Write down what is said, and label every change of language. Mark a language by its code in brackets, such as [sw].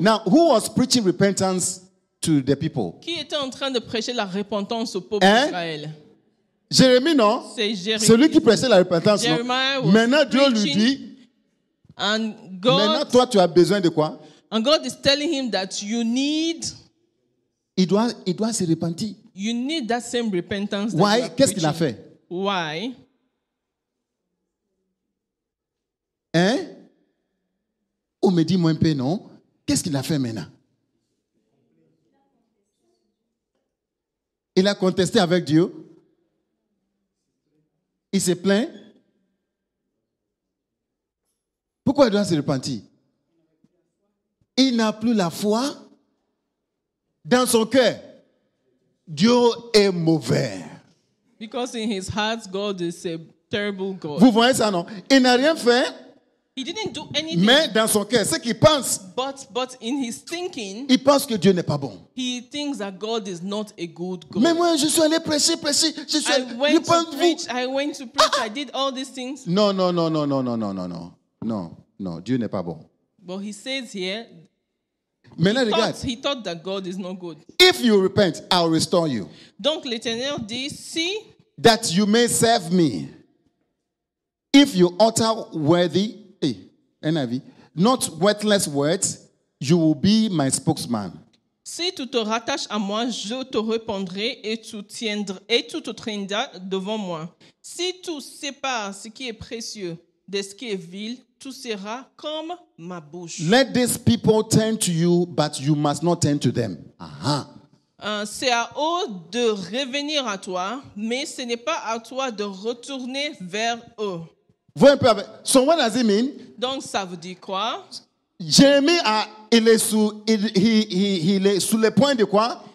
[en] Now, who was preaching repentance to the people? [fr] Qui était en train de prêcher la repentance au peuple d'Israël? Jérémie, non? C'est Jérémie. Celui qui pressait la repentance, non? Maintenant, Dieu lui dit, [en] and God, [fr] maintenant, toi, tu as besoin de quoi? [en] And God is telling him that you need... [fr] Il doit se repentir. [en] You need that same repentance. Why? That you [fr] Qu'est-ce [en] preaching. [fr] Qu'il a fait? [en] Why? [fr] Hein? On me dit moi un peu, non? Qu'est-ce qu'il a fait maintenant? Il a contesté avec Dieu. Il se plaint. Pourquoi il doit se repentir? Il n'a plus la foi dans son cœur. Dieu est mauvais. [en] Because in his heart, God is a terrible God. [fr] Vous voyez ça, non? Il n'a rien fait. [en] He didn't do anything. [fr] Mais dans son cœur, ce qu'il pense. [en] But in his thinking, [fr] il pense que Dieu n'est pas bon. [en] He thinks that God is not a good God. [fr] Mais moi, je suis allé prêcher. Je suis allé prêcher. [en] I went to preach. I did all these things. [fr] Non. Dieu n'est pas bon. [en] But he says here. [fr] Maintenant, [en] he thought that God is not good. If you repent, I'll restore you. [fr] Donc l'Éternel dit, si. [en] That you may serve me. If you utter worthy. NIV, not worthless words, you will be my spokesman. [fr] Si tu te rattaches à moi, je te répondrai et tu te traîneras devant moi. Si tu sépares ce qui est précieux de ce qui est vil, tu seras comme ma bouche. [en] Let these people turn to you, but you must not turn to them. Uh-huh. [fr] C'est à eux de revenir à toi, mais ce n'est pas à toi de retourner vers eux. [en] So what does it mean? [fr] Donc ça veut dire quoi? Jérémie il est sous le point de quoi?